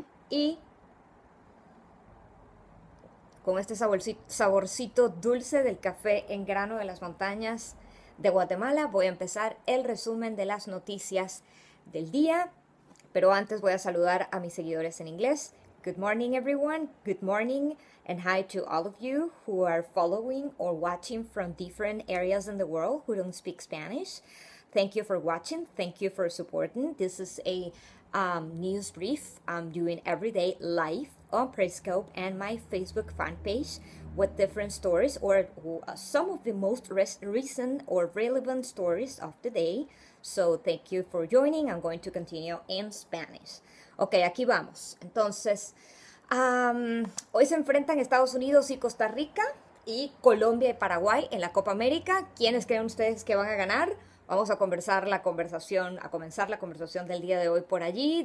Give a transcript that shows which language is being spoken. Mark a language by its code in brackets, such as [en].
[es] Y con este saborcito dulce del café en grano de las montañas de Guatemala, voy a empezar el resumen de las noticias del día, pero antes voy a saludar a mis seguidores en inglés. [en] Good morning, everyone. Good morning and hi to all of you who are following or watching from different areas in the world who don't speak Spanish. Thank you for watching. Thank you for supporting. This is a news brief I'm doing every day live on Periscope and my Facebook fan page with different stories or some of the most recent or relevant stories of the day. So, thank you for joining. I'm going to continue in Spanish. Ok, [es] aquí vamos. Entonces, hoy se enfrentan Estados Unidos y Costa Rica y Colombia y Paraguay en la Copa América. ¿Quiénes creen ustedes que van a ganar? Vamos a conversar la conversación, a comenzar la conversación del día de hoy por allí.